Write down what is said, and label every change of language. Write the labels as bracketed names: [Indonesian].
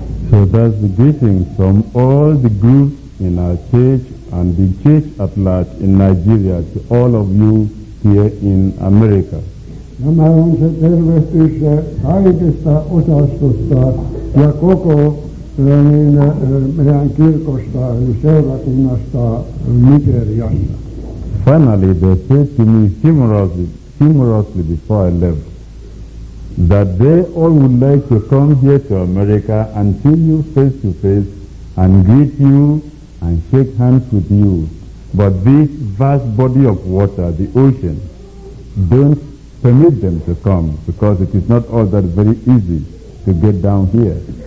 [English] So that's the greeting from all the groups in our church and the church at large in Nigeria to all of you here in America. [Finnish] Nämä on se tervehtys kaikista osastosta ja koko niin meidän kirkosta seurakunnasta Nigeriassa. [English] Finally, they said to me humorously before I left that they all would like to come here to America and see you face to face and greet you and shake hands with you. But this vast body of water, the ocean, don't permit them to come because it is not all that very easy to get down here.